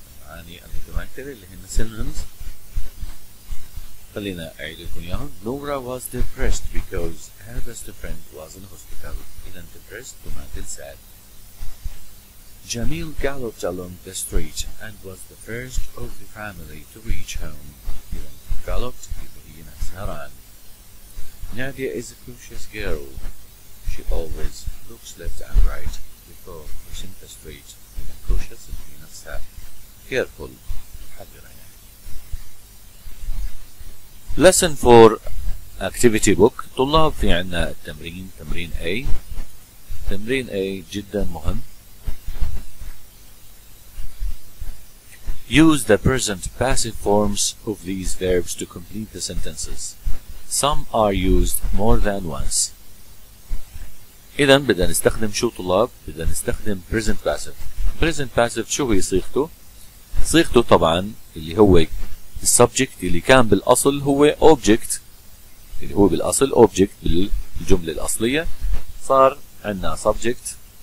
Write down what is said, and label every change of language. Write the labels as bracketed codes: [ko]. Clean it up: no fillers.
[ar] المعاني المتماثلة اللي هن synonyms. خلينا أعيد لكم ياهم. [en] Nora was depressed because her best friend was in hospital. [ar] إذن depressed تماثل sad. [en] Jamil galloped along the street and was the first of the family to reach home. galloped [ar] يبقى نفس هران. [en] Nadia is a cautious girl. She always looks left and right before crossing the street. [ar] إذا cautious يبقى نفسها careful حذرة يعني. [en] Lesson 4 Activity Book. [ar] طلاب في عنا التمرين تمرين A. تمرين A جدا مهم. [en] Use the present passive forms of these verbs to complete the sentences. Some are used more than once. [ar] إذن بدنا نستخدم شو طلاب؟ بدنا نستخدم present passive. Present passive شو هي صيغته؟ صيغته طبعا اللي هو subject اللي كان بالأصل هو object. اللي هو بالأصل object بالجملة الأصلية. صار عندنا subject.